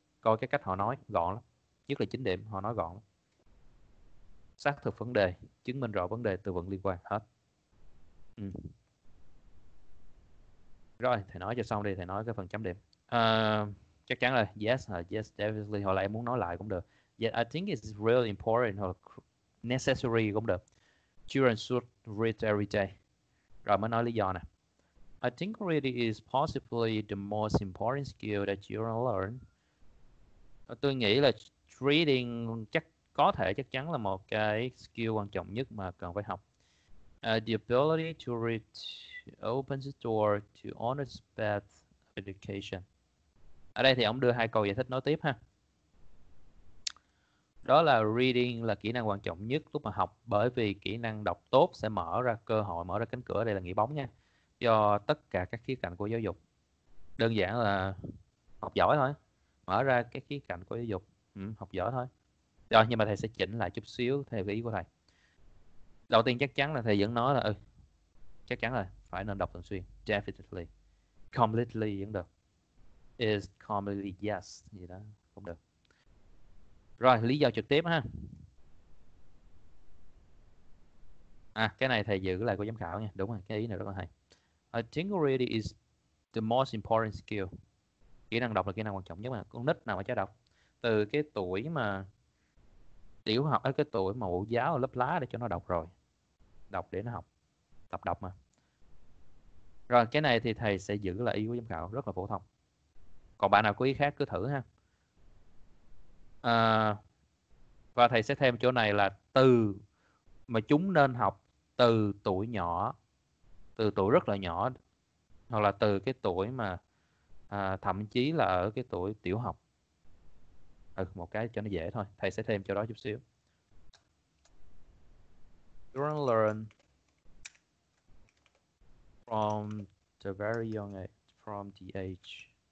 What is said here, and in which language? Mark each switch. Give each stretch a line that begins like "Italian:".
Vietnamese: Coi cái cách họ nói gọn lắm. Nhất là 9 điểm họ nói gọn. Xác thực vấn đề, chứng minh rõ vấn đề, từ vựng liên quan hết. Rồi, thầy nói cho xong đi, thầy nói cái phần chấm điểm. Chắc chắn rồi,
English: yes, definitely,
Vietnamese: hoặc là em muốn nói lại cũng được.
English: Yeah, I think it's really important or necessary
Vietnamese: cũng được.
English: Children should read every day.
Vietnamese: Rồi mới nói lý do nè.
English: I think reading is possibly the most important skill that you learn.
Vietnamese: Tôi nghĩ là reading chắc có thể chắc chắn là một cái skill quan trọng nhất mà cần phải học.
English: The ability to read opens the door to honest bad education.
Vietnamese: Ở đây thì ông đưa hai câu giải thích nói tiếp ha. Đó là reading là kỹ năng quan trọng nhất lúc mà học, bởi vì kỹ năng đọc tốt sẽ mở ra cơ hội, mở ra cánh cửa, đây là nghĩa bóng nha, cho tất cả các khía cạnh của giáo dục. Đơn giản là học giỏi thôi, mở ra các khía cạnh của giáo dục, học giỏi thôi. Rồi, nhưng mà thầy sẽ chỉnh lại chút xíu theo ý của thầy. Đầu tiên chắc chắn là thầy vẫn nói là chắc chắn là phải nên đọc thường xuyên.
English: Definitely. Completely
Vietnamese: vẫn được.
English: Is commonly yes.
Vietnamese: Gì đó, cũng được. Rồi, lý do trực tiếp ha. À, cái này thầy giữ lại của giám khảo nha. Đúng rồi, cái ý này rất là hay.
English: I think reading is the most important skill.
Vietnamese: Kỹ năng đọc là kỹ năng quan trọng nhất mà. Con nít nào mà chả đọc. Từ cái tuổi mà tiểu học ở cái tuổi mà mẫu giáo lớp lá để cho nó đọc rồi. Đọc để nó học. Tập đọc mà. Rồi, cái này thì thầy sẽ giữ lại ý của giám khảo. Rất là phổ thông. Còn bạn nào có ý khác cứ thử ha. Và thầy sẽ thêm chỗ này là từ mà chúng nên học từ tuổi nhỏ, từ tuổi rất là nhỏ, hoặc là từ cái tuổi mà thậm chí là ở cái tuổi tiểu học. Một cái cho nó dễ thôi, thầy sẽ thêm chỗ đó chút xíu.
English: Children learn from the very young age, from the age.